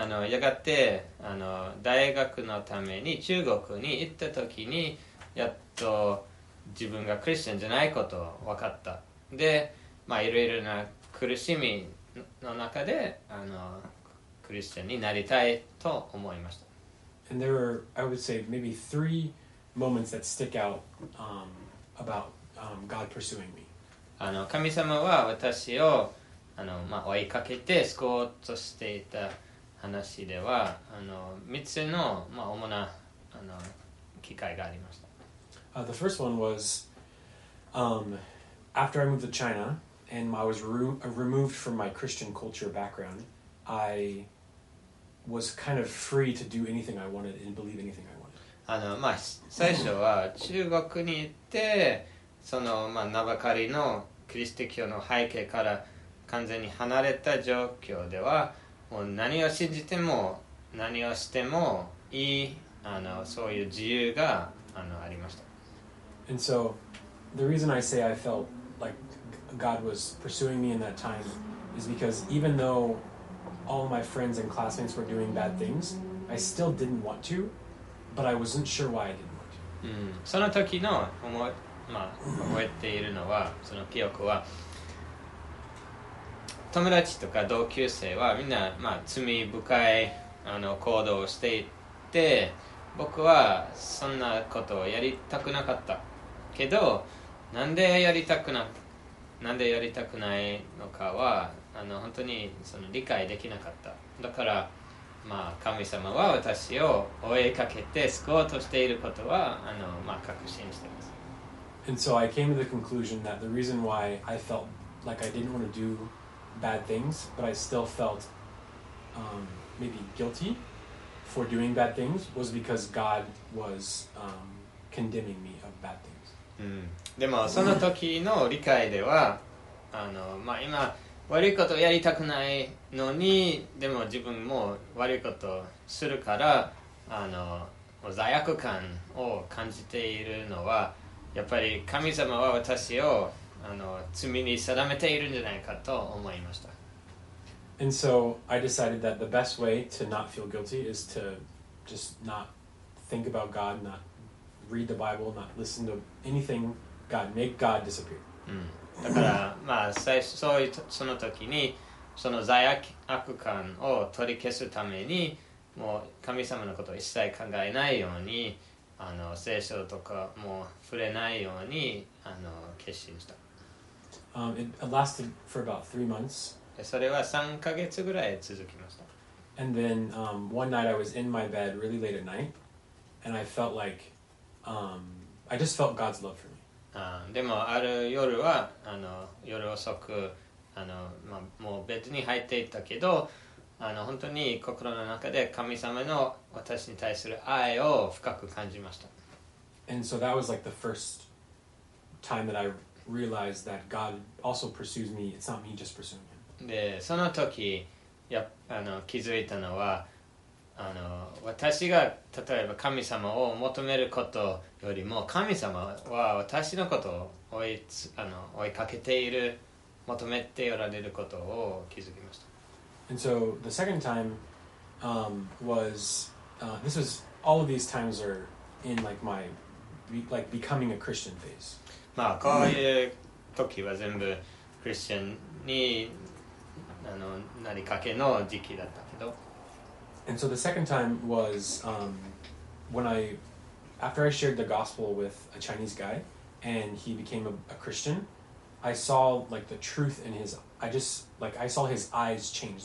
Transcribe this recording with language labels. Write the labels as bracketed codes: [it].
[ja] やがて大学のために中国に行った時にやっと自分がクリスチャンじゃないことを分かった。で、まあいろいろな苦しみの中でクリスチャンになりたいと思いました。 [en] And there were, I would say, maybe three moments that stick out about God pursuing me. [ja] 神様は私をまあ、追いかけて救おうとしていた話では3つの、まあ、主な機会がありました。 [en] The first one was after I moved to China and I was removed from my Christian culture background, I was kind of free to do anything I wanted and believe anything I wanted. [ja] まあ、最初は中国に行ってその、まあ、名ばかりのキリスト教の背景から完全に離れた状況ではもう何を信じても何をしてもいいそういう自由がありました。 [en] And so, the reason I say I felt like God was pursuing me in that time is because even though all my friends and classmates were doing bad things, I still didn't want to, but I wasn't sure why I didn't want to. [ja] その時の思い、まあ、覚えているのは、その記憶は友達とか同級生はみんな、まあ、罪深い行動をしていて僕はそんなことをやりたくなかったけどなんでやりたくないのかは本当にその理解できなかった。だから、まあ、神様は私を追いかけて救おうとしていることは確信しています。 [en] And so I came to the conclusion that the reason why I felt like I didn't want to doBad things, but I still felt maybe guilty for doing bad things was because God was condemning me of bad things. [ja] でもその時の理解では、まあ、今悪いことをやりたくないのに、でも自分も悪いことをするから、罪悪感を感じているのは、やっぱり神様は私を罪に定めているんじゃないかと思いました。 [en] And so I decided that the best way to not feel guilty is to just not think about God, not read the Bible, not listen to anything God, make God disappear. [ja] だから、まあ、その時にその罪悪感を取り消すためにもう神様のことを一切考えないように聖書とかも触れないように決心した。 [en] It lasted for about 3 months. [ja] それは3ヶ月ぐらい続きました。 [en] And then one night I was in my bed really late at night and I felt like I just felt God's love for me. [ja] でもある夜は夜遅くまあ、もうベッドに入っていたけど本当に心の中で神様の私に対する愛を深く感じました。 [en] And so that was like the first time that I realized that God also pursues me. It's not me just pursuing him. [ja] で、その時、気づいたのは、私が例えば神様を求めることよりも、神様は私のことを追いかけている、求めておられることを気づきました。 [en] And so the second time this was all of these times are in like my like becoming a Christian phase. [ja] まあこういう時は全部クリスチャンになりかけの時期だったけど。 [en] And so the second time was when I after I shared the gospel with a Chinese guy and he became a Christian, I saw like the truth in his, I just like, I saw his eyes change.